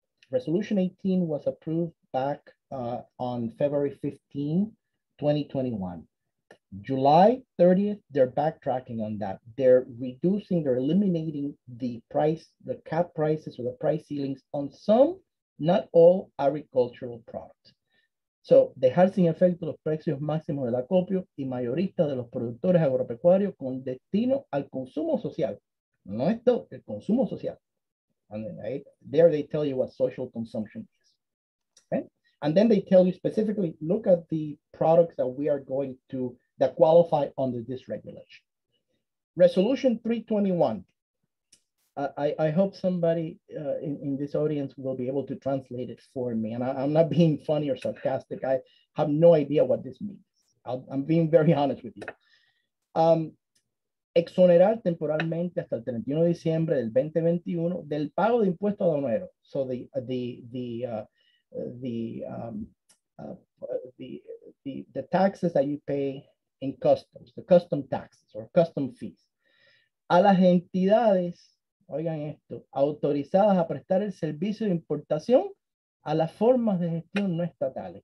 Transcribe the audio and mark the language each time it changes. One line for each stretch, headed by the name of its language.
English: Resolution 18 was approved back on February 15, 2021. July 30th, they're backtracking on that. They're reducing, they're eliminating the cap prices or the price ceilings on some, not all, agricultural products.
Spanish: So, dejar sin efecto los precios máximos del acopio y mayorista de los productores agropecuarios con destino al consumo social. No esto, el consumo social.
English: And then, right? There they tell you what social consumption is. Okay? And then they tell you specifically, look at the products that we are going to that qualify under this regulation. Resolution 321. I hope somebody in this audience will be able to translate it for me. And I'm not being funny or sarcastic. I have no idea what this means. I'm being very honest with you.
Spanish: Exonerar temporalmente hasta el 31 de diciembre del 2021 del pago de impuesto aduanero.
English: So the taxes that you pay in customs, the custom taxes or custom fees.
Spanish: A las entidades, oigan esto, autorizadas a prestar el servicio de importación a las formas de gestión no estatales.